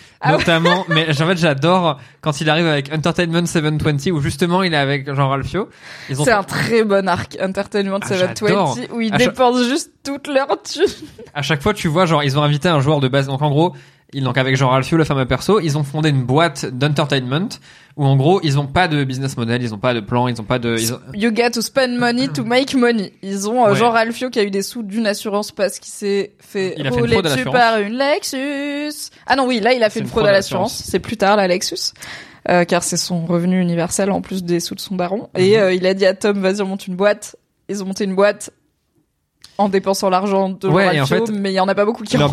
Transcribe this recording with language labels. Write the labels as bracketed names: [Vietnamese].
[French] Notamment, mais en fait, j'adore quand il arrive avec Entertainment 720, où justement, il est avec Jean-Ralphio. Un très bon arc, Entertainment 720, j'adore. Où ils dépensent juste toute leur thune. À chaque fois, tu vois, genre, ils ont invité un joueur de base. Donc en gros, avec Jean-Ralphio, le fameux perso, ils ont fondé une boîte d'entertainment où, en gros, ils ont pas de business model, ils ont pas de plan, [English] You get to spend money to make money. [French] Ils ont Jean-Ralphio qui a eu des sous d'une assurance parce qu'il s'est fait rouler dessus par une Lexus. Ah non, oui, là, il a fait une fraude à l'assurance. C'est plus tard, la Lexus. Car c'est son revenu universel en plus des sous de son baron. Mm-hmm. Et il a dit à Tom, vas-y, on monte une boîte. Ils ont monté une boîte. En dépensant l'argent de Jean-Ralphio, mais il n'y en a pas beaucoup qui rentrent.